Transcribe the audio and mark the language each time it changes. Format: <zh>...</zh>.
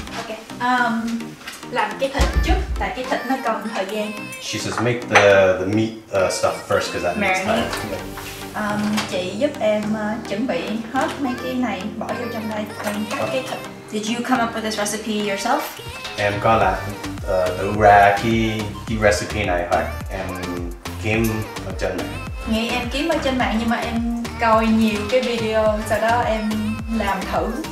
<vi>Okay, làm cái thịt trước, tại cái thịt nó cần thời gian.</vi> <en>She says make the meat stuff first because that marinate. Makes time.</en> <vi>Chị giúp em chuẩn bị hết mấy cái này bỏ vô trong đây. Cái thịt.</vi> <en>Did you come up with this recipe yourself?</en> <vi>Em có làm đủ ra cái recipe này phải. Em kiếm ở trên mạng. Nghĩ em kiếm ở trên mạng nhưng mà em coi nhiều cái video sau đó em làm thử.</vi>